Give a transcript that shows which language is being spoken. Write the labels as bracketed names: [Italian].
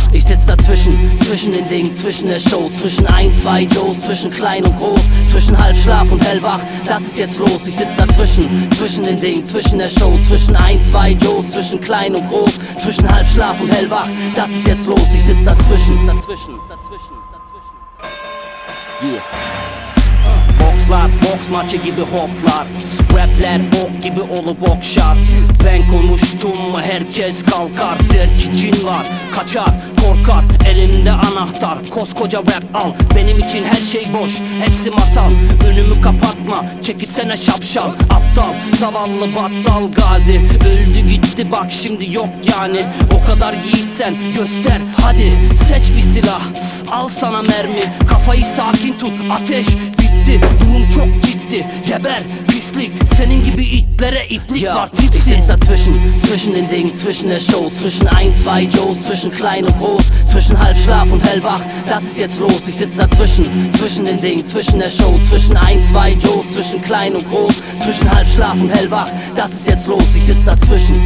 [German] Ich sitz dazwischen, zwischen den Dingen, zwischen der Show. Zwischen ein, zwei Joes, zwischen klein und groß. Zwischen halb Schlaf und hellwach, das ist jetzt los. Ich sitz dazwischen, zwischen den Dingen, zwischen der Show. Zwischen ein, zwei Joes, zwischen klein und groß. Zwischen halb Schlaf und hellwach, das ist jetzt los. Ich sitz dazwischen, dazwischen, dazwischen, dazwischen. Yeah. [Turkish] Boxlar, box maçı gibi hoplar. Rapler bok gibi olup okşar. Ben konuştum mu herkes kalkar. Der ki cin var, kaçar, korkar. Elimde anahtar, koskoca rap al. Benim için her şey boş, hepsi masal. Önümü kapatma, çekilsene şapşal. Aptal, zavallı battal gazi. Öldü gitti bak şimdi yok yani. O kadar yiğitsen göster hadi. Seç bir silah, al sana mermi. Kafayı sakin tut, ateş bitti. Durum çok ciddi, geber, pislik. Senin gibi itlere iplik ya, var, tipsin. [German] Ich sitz dazwischen, zwischen den Dingen, zwischen der Show. Zwischen ein, zwei Joes, zwischen klein und groß. Zwischen halb Schlaf und hellwach, das ist jetzt los. Ich sitz dazwischen, zwischen den Dingen, zwischen der Show. Zwischen ein, zwei Joes, zwischen klein und groß. Zwischen halb Schlaf und hellwach, das ist jetzt los. Ich sitz dazwischen,